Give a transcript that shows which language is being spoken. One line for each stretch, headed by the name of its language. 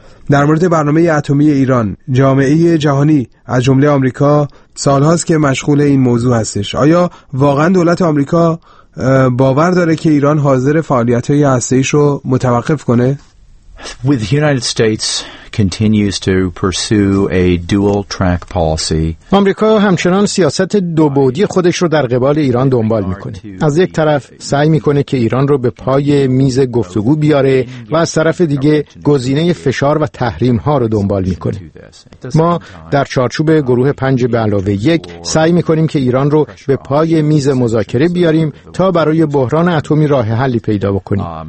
Persian: در مورد برنامه اتمی ایران، جامعه جهانی از جمله آمریکا سالهاست که مشغول این موضوع هستش. آیا واقعا دولت آمریکا باور داره که ایران حاضر فعالیت‌های هسته‌ایش رو متوقف کنه؟
English: With United States continues to pursue a dual track policy.
Persian: آمریکا همچنان سیاست دو بعدی خودش رو در قبال ایران دنبال میکنه. از یک طرف سعی میکنه که ایران رو به پای میز گفتگو بیاره و از طرف دیگه گزینه فشار و تحریم ها رو دنبال میکنه. ما در چارچوب گروه 5 به علاوه 1 سعی میکنیم که ایران رو به پای میز مذاکره بیاریم تا برای بحران اتمی راه حلی پیدا بکنیم.